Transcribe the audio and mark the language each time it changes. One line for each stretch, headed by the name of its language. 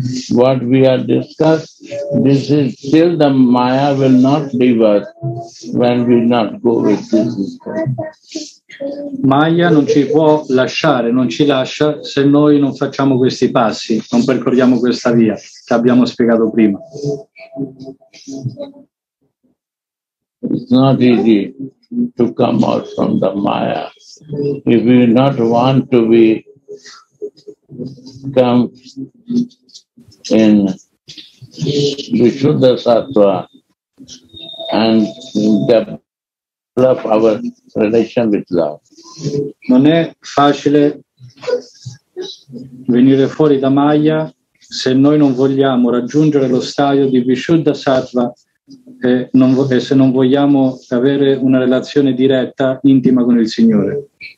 English: What we have discussed, this is still the Maya will not leave us when we not go with this.
Italian: Maya non ci può lasciare, non ci lascia se noi non facciamo questi passi, non percorriamo questa via che abbiamo spiegato prima.
English: It's not easy to come out from the Maya. If we not want to be come in Vishuddha Sattva and develop our relation with love.
Italian: Non è facile venire fuori da Maya se noi non vogliamo raggiungere lo stadio di Vishuddha Sattva. E se non vogliamo avere una relazione diretta, intima con il Signore.